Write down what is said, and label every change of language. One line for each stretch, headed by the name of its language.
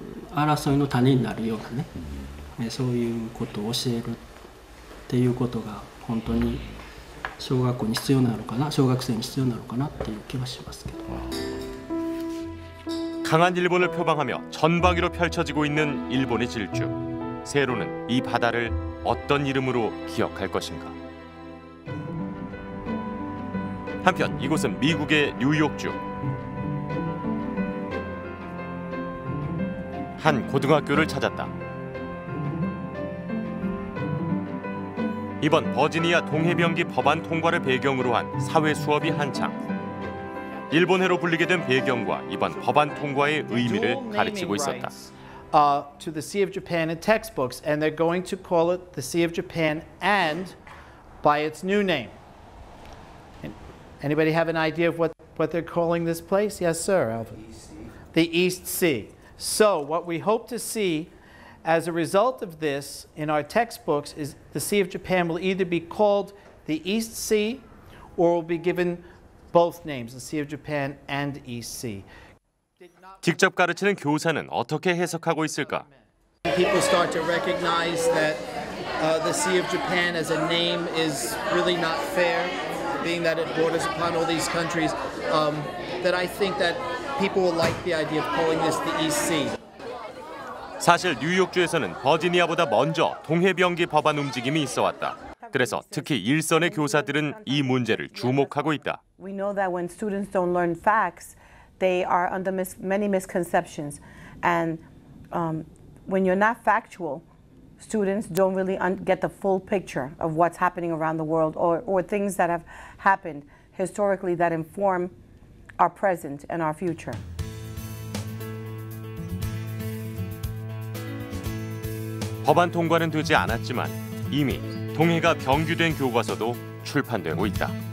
Japanese: 争いの種になるようなね、そういうことを教えるっていうことが本当に小学校に必要なのかな、小学生に必要なのかなっていう気はしますけど。
Korean: 강한 일본을 표방하며 전방위로 펼쳐지고 있는 일본의 질주. 세로는 이 바다를 어떤 이름으로 기억할 것인가. 한편 이곳은 미국의 뉴욕주. 한 고등학교를 찾았다. 이번 버지니아 동해병기 법안 통과를 배경으로 한 사회 수업이 한창. 일본해로 불리게 된 배경과 이번 법안 통과의 의미를 가르치고 있었다.
English: To the Sea of Japan in textbooks, and they're going to call it the Sea of Japan and by its new name. Anybody have an idea of what they're calling this place? Yes, sir, Alvin. The East Sea. So what we hope to see as a result of this in our textbooks is the Sea of Japan will either be called the East Sea or will be given both names, the Sea of Japan and East Sea.
Korean: 직접 가르치는 교사는 어떻게 해석하고 있을까?
English: People start to recognize that the Sea of Japan as a name is really not fair, being that it borders upon all these countries. That I think that people will like the idea of calling this the East Sea.
Korean: 사실 뉴욕주에서는 버지니아보다 먼저 동해병기 법안 움직임이 있어왔다. 그래서 특히 일선의 교사들은 이 문제를 주목하고 있다.
English: We know that when students don't learn facts, they are under many misconceptions. And when you're not factual, students don't really get the full picture of what's happening around the world or things that have happened historically that inform our present and our future.
Korean: 법안 통과는 되지 않았지만 이미 동해가 병규된 교과서도 출판되고 있다.